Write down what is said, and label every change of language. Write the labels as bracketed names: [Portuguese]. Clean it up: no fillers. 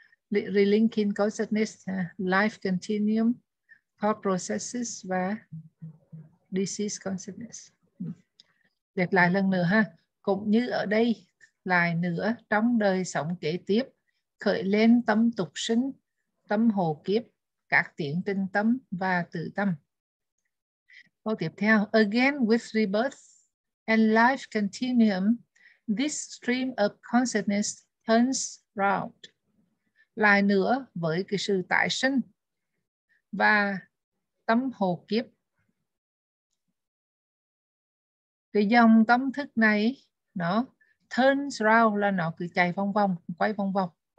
[English] Relinking consciousness, life continuum, thought processes và disease consciousness. [Vietnamese] Đẹp lại lần nữa ha. Cũng như ở đây lại nữa, trong đời sống kế tiếp, khởi lên tâm tục sinh, tâm hồ kiếp, các tiến trình tâm và tự tâm. Câu tiếp theo, [English] again with rebirth and life continuum, this stream of consciousness turns round. [Vietnamese] Lại nữa với cái sự tái sinh và tâm hồ kiếp, cái dòng tâm thức này nó [English] turns round, [Vietnamese] là nó cứ chạy vòng vòng, quay vòng vòng.